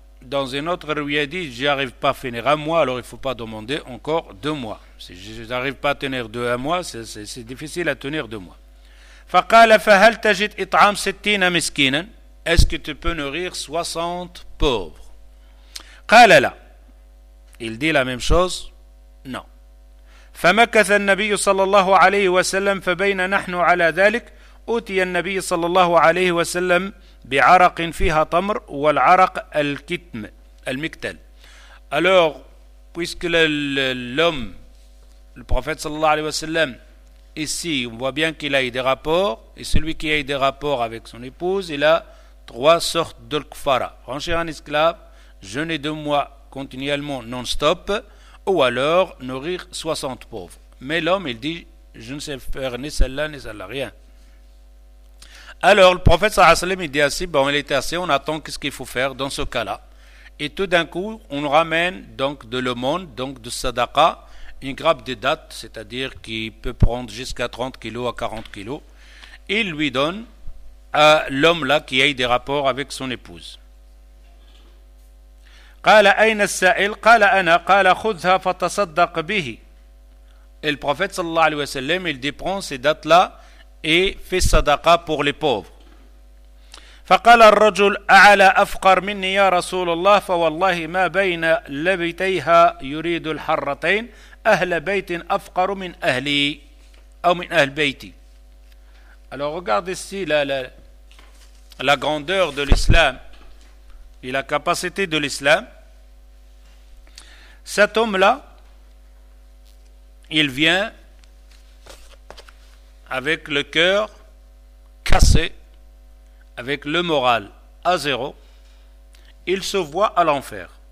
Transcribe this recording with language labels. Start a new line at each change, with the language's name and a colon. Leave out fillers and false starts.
French: Dans une autre, il lui a dit, je n'arrive pas à finir 1 mois, alors il ne faut pas demander encore 2 mois. Si je n'arrive pas à tenir 2 mois, c'est difficile à tenir 2 mois.
Arabic: Faqala fa hal tajid it'am 60 miskinan?
French: Est-ce que tu peux nourrir 60 pauvres? Qalala, il dit la même chose, non.
Arabic: فمكث النبي صلى الله عليه وسلم فبين نحن على ذلك أتي النبي صلى الله عليه وسلم بعرق فيها تمر والعرق الكتم المكتل.
French: Alors puisque l'homme, le prophète صلى الله عليه وسلم, ici on voit bien qu'il a eu des rapports, et celui qui a eu des rapports avec son épouse, il a 3 sortes de kfara: franchir un esclave, jeûner 2 mois continuellement non-stop, ou alors nourrir 60 pauvres. Mais l'homme, il dit, je ne sais faire ni celle-là, ni celle-là, rien. Alors, le prophète sallallahu alayhi wa sallam, il dit assis, bon, il était assis, on attend, qu'est-ce qu'il faut faire dans ce cas-là? Et tout d'un coup, on nous ramène donc de l'aumône, donc de sadaqa, une grappe de dattes, c'est-à-dire qui peut prendre jusqu'à 30 kilos à 40 kilos. Et il lui donne à l'homme-là qui ait des rapports avec son épouse.
Arabic: قال أين السائل قال أنا قال خذها فتصدق به.
French: Et le prophète sallallahu alayhi wa sallam, il déprend ces dattes-là et fait sadaqa pour les pauvres.
Arabic: فقال الرجل أعلى أفقر مني يا رسول الله فوالله ما بين لبتيها يريد الحرتين أهل بيت أفقر من أهلي أو من أهل بيتي.
French: Alors regardez ici la grandeur de l'islam et la capacité de l'islam. Cet homme-là, il vient avec le cœur cassé, avec le moral à zéro, il se voit à l'enfer.